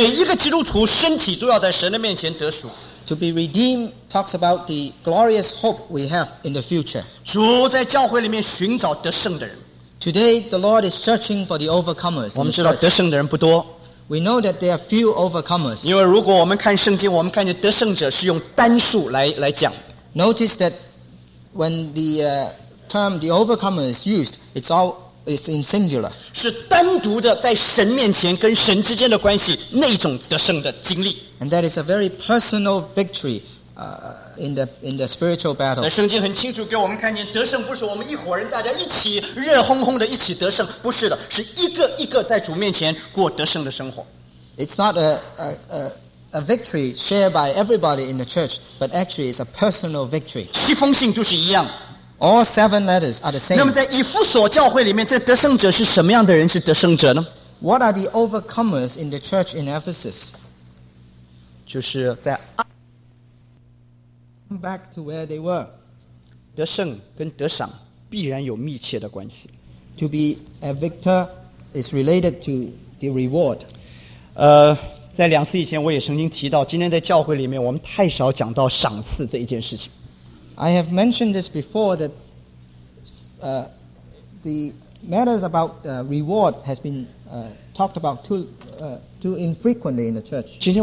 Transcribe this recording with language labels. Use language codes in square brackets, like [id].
[zh] 得赎是我们对将来有一个盼望，每一个基督徒身体都要在神的面前得赎。 [en] To be redeemed talks about the glorious hope we have in the future. [zh] 主在教会里面寻找得胜的人。 [en] Today, the Lord is searching for the overcomers. [zh] 我们知道得胜的人不多。 [en] We know that there are few overcomers. [zh] 因为如果我们看圣经，我们看见得胜者是用单数来讲。 [en] Notice that when the term the overcomer is used, it's in singular. [zh] 是单独的在神面前跟神之间的关系那种得胜的经历。 [en] And that is a very personal victory in the spiritual battle. [zh] 圣经很清楚给我们看见，得胜不是我们一伙人大家一起热烘烘的一起得胜，不是的，是一个一个在主面前过得胜的生活。 [en] It's not a victory shared by everybody in the church, but actually it's a personal victory. [zh] 七封信都是一样。 [en] All seven letters are the same. [zh] 那么在以弗所教会里面，这得胜者是什么样的人？是得胜者呢？ [en] What are the overcomers in the church in Ephesus? [zh] 就是在 [en] Come back to where they were. [zh] 得胜跟得赏必然有密切的关系。 [en] To be a victor is related to the reward. [zh] 在两次以前我也曾经提到，今天在教会里面我们太少讲到赏赐这一件事情。 [en] I have mentioned this before that the matters about reward has been talked about too infrequently in the church.